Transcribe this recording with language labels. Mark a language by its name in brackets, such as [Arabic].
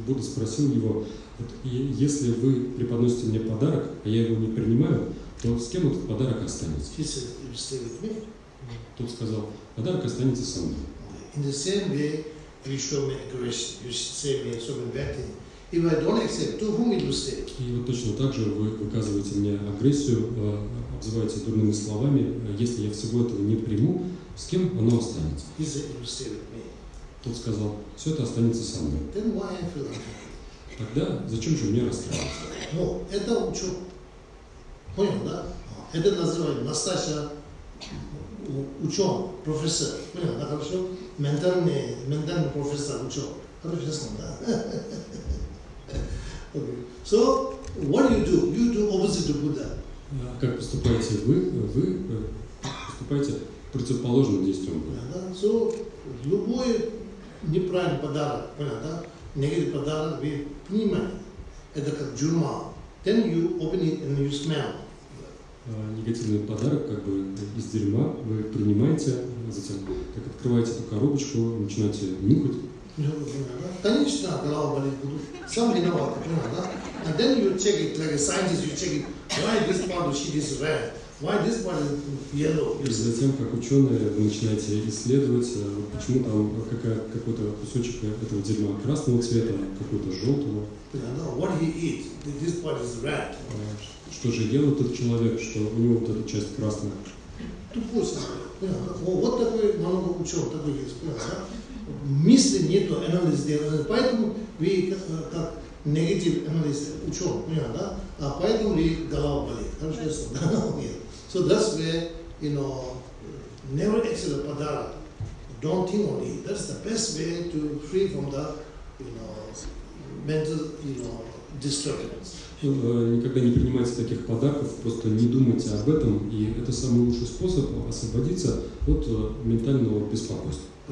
[Russian] Будда спросил его, если вы преподносите мне подарок, а я его не принимаю, то с кем этот подарок останется? [English] He said, it will stay with me. [Russian] Тот сказал, подарок останется со мной. [English] In the same way, you show me aggression, you say me something bad thing. If I don't accept, to whom it will stay? [Russian] И вот точно так же вы выказываете мне агрессию, обзываете дурными словами, если я всего этого не приму, с кем оно останется? [English] He said, it will stay with me. [Russian] Тот сказал, все это останется со мной. [English] Then why I feel like that? [Russian] Тогда зачем же мне расстраиваться? Но это что? Понял, да? Это называют настоящий ученый, профессор. Понял, да, хорошо? Ментальный профессор, ученый. Хорошо, честно, да? Okay. [English] So, what do you do? You do opposite to Buddha. [Russian] Как поступаете вы? Вы поступаете противоположным действием. So, любой неправильный подарок, понял, да? Негативный подарок, вы понимаете. Это как джурма. [English] Then you open it and you smell. [Russian] Негативный подарок как бы из дерьма вы принимаете, затем как открываете эту коробочку, начинаете нюхать. Конечно, голова болит, буду. Сам виноват, понимаешь, да? [English] And then you check it, like a scientist, you check it, why this part of shit is red, why this part is yellow. [Russian] И затем, как ученые, вы начинаете исследовать, почему там какой-то кусочек этого дерьма красного цвета, какой-то желтого. [English] What he eats, this part is red. [Russian] Что же делает этот человек, что у него вот эта часть красная? Тупой самый. Вот такой много ученых, такой есть, понимаешь, да? Мысли нету, анализ делают. Поэтому вы как негатив анализ ученых, понимаешь, да? А поэтому вы голова болит. Хорошо, я сказал, да, но нет. [English] So that's where, you know, never accept a подарок. Don't think on it. That's the best way to free from the, you know, mental, you know, disturbance. [Russian] Никогда не принимайте таких подарков, просто не думайте об этом, и это самый лучший способ освободиться от ментального беспокойства.